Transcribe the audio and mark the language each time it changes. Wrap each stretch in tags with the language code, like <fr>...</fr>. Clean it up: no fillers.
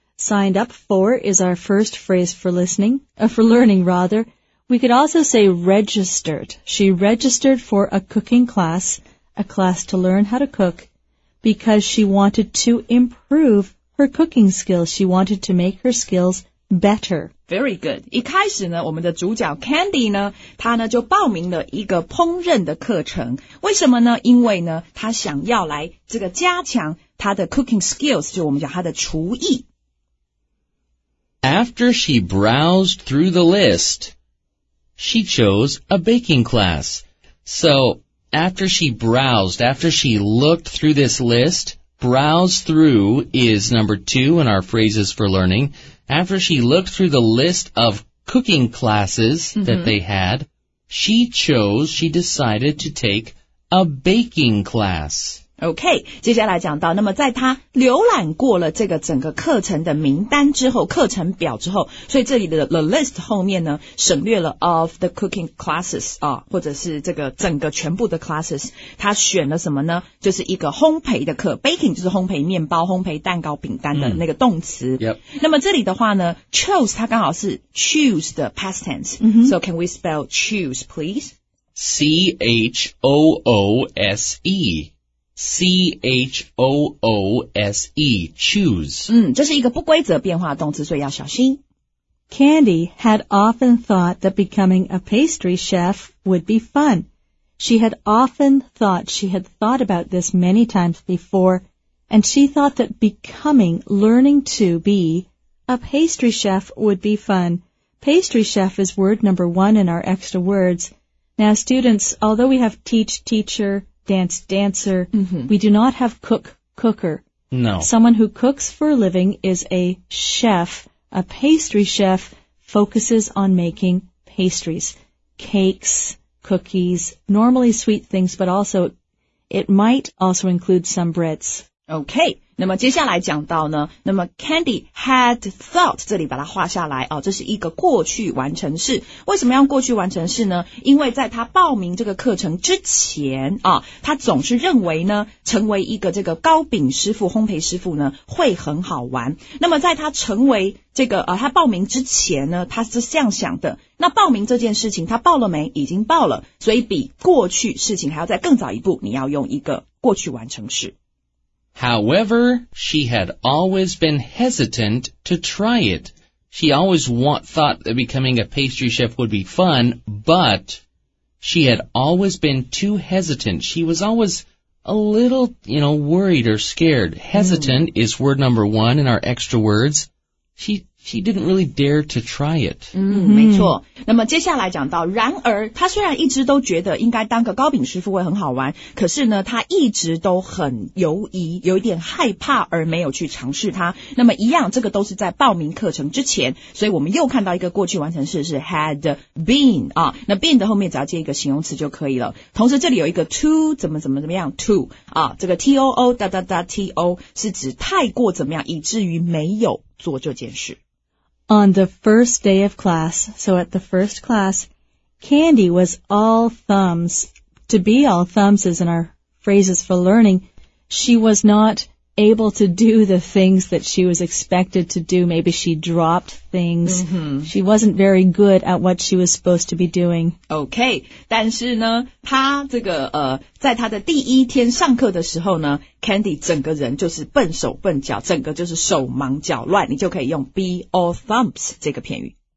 <en>Signed up for is our first phrase for listening, for learning rather. We could also say registered. She registered for a cooking class, a class to learn how to cook, because she wanted to improve her cooking skills. She wanted to make her skills better. Very good.</en> <zh>一开始呢我们的主角 Candy 呢她呢就报名了一个烹饪的课程。为什么呢因为呢她想要来这个加强她的</zh> <en>cooking skills,</en> <zh>就我们讲她的厨艺。</zh> <en>After she browsed through the list, she chose a baking class. So, after she browsed, after she looked through this list, browse through is number two in our phrases for learning. After she looked through the list of cooking classes that they had, she decided to take a baking class.</en> <zh>OK, 接下来讲到，那么在他浏览过了这个整个课程的名单之后，课程表之后，所以这里的</zh> <en>the list</en> <zh>后面呢，省略了</zh> <en>of the cooking classes,</en> <zh>啊，或者是这个整个全部的 classes, 他选了什么呢？就是一个烘焙的课， baking 就是烘焙面包、烘焙蛋糕、饼干的那个动词。</zh> <en>Mm. Yep.</en> <zh>那么这里的话呢， chose 它刚好是 choose 的</zh> <en>past tense,、 mm-hmm. so can we spell choose please? C-H-O-O-S-E. C-H-O-O-S-E, choose.</en> <zh>嗯，这是一个不规则变化动词，所以要小心。</zh> <en>Candy had often thought that becoming a pastry chef would be fun. She had often thought she had thought about this many times before, and she thought that becoming, learning to be, a pastry chef would be fun. Pastry chef is word number one in our extra words. Now, students, although we have teach, teacher,dance dancer,、 mm-hmm. we do not have cook cooker. No. Someone who cooks for a living is a chef. A pastry chef focuses on making pastries, cakes, cookies, normally sweet things, but also it might also include some breads. Okay.</en> <zh>那么接下来讲到呢，那么</zh> <en>Candy had thought,</en> <zh>这里把它画下来、哦、这是一个过去完成式。为什么要过去完成式呢？因为在他报名这个课程之前、哦、他总是认为呢，成为一个这个糕饼师傅、烘焙师傅呢，会很好玩。那么在他成为这个他报名之前呢，他是这样想的。那报名这件事情他报了没？已经报了，所以比过去事情还要再更早一步，你要用一个过去完成式。</zh> <en>However, she had always been hesitant to try it. She always thought that becoming a pastry chef would be fun, but she had always been too hesitant. She was always a little, you know, worried or scared. Hesitant、mm. is word number one in our extra words. She didn't really dare to try it.</en> <zh>嗯，没错。那么接下来讲到，然而他虽然一直都觉得应该当个糕饼师傅会很好玩，可是呢，他一直都很犹疑，有一点害怕而没有去尝试它。那么一样，这个都是在报名课程之前，所以我们又看到一个过去完成式是</zh> <en>had been</en> <zh>啊。那 been 的后面只要接一个形容词就可以了。同时这里有一个 to 怎么样 to 啊，这个 too 哒哒哒 to 是指太过怎么样，以至于没有做这件事。</zh> <en>On the first day of class, so at the first class, Candy was all thumbs. To be all thumbs is in our phrases for learning. She was not able to do the things that she was expected to do. Maybe she dropped things. Mm-hmm. She wasn't very good at what she was supposed to be doing.</en> <zh>Okay, 但是呢，她这个在她的第一天上课的时候呢 ，Candy 整个人就是笨手笨脚，整个就是手忙脚乱。你就可以用</zh> <en>be all thumbs</en> <zh>这个片语。</zh>